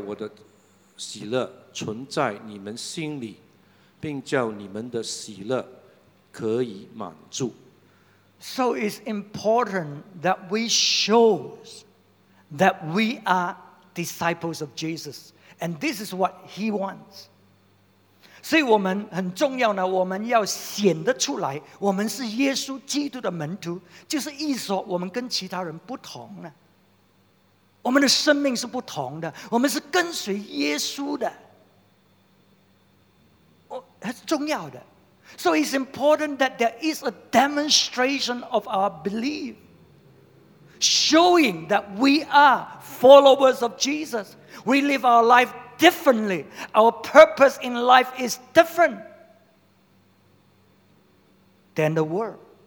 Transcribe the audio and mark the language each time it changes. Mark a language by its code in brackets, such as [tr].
[zh] 这些事我已经对你们说了，是要叫我的喜乐 存在你们心里, 并叫你们的喜乐可以满足。 [en] So it's important that we show that we are disciples of Jesus. And this is what he wants. [zh] 所以我们很重要呢, 我们要显得出来, 我们是耶稣基督的门徒, 就是意思说我们跟其他人不同呢。我们的生命是不同的, 我们是跟随耶稣的。重要的, [en] so it's important that there is a demonstration of our belief, showing that we are followers of Jesus. We live our life differently. Our purpose in life is different than the world.